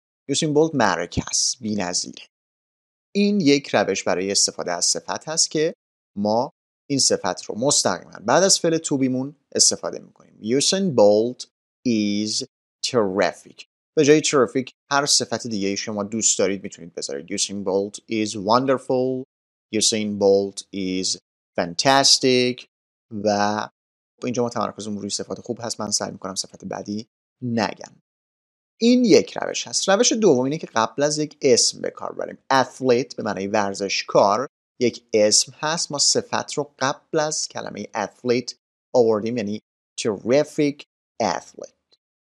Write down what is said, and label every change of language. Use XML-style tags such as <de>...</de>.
<fa>یوسین بولت معرکه است، بی‌نظیره. این یک روش برای استفاده از صفت هست که ما این صفت رو مستقیما بعد از فعل to بیمون استفاده می‌کنیم.</fa> <en>Usain Bolt is terrific.</en> <fa>به جای terrific هر صفت دیگه شما دوست دارید میتونید بذارید.</fa> <en>Usain Bolt is wonderful. Usain Bolt is fantastic.</en> <fa>و اینجا ما تمرکزمون روی صفات خوب هست. من سعی میکنم صفت بعدی نگم. این یک روش هست. روش دوم اینه که قبل از یک اسم به کار بریم. Athlete به معنی ورزشکار یک اسم هست. ما صفت رو قبل از کلمه athlete آوردیم، یعنی</fa> <en>terrific athlete.</en>